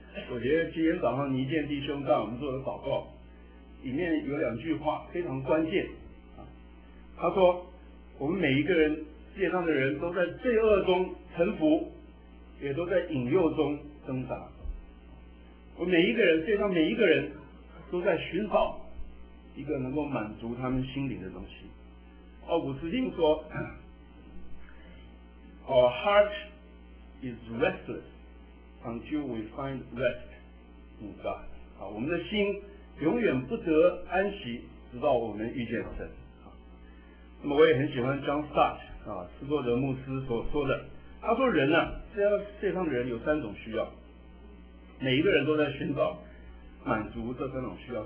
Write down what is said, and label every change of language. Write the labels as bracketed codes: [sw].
[zh] 我觉得今天早上倪健弟兄带我们做的祷告里面有两句话非常关键，他说我们每一个人，世界上的人都在罪恶中沉浮，也都在引诱中挣扎。我每一个人，世界上每一个人都在寻找一个能够满足他们心灵的东西。奥古斯丁说 [en] Our heart is restless until we find rest in God。 [zh] 我们的心永远不得安息直到我们遇见神。那么我也很喜欢 John Stott 斯多德牧师所说的，他说人啊，这样世界上的人有三种需要，每一个人都在寻找满足这三种需要。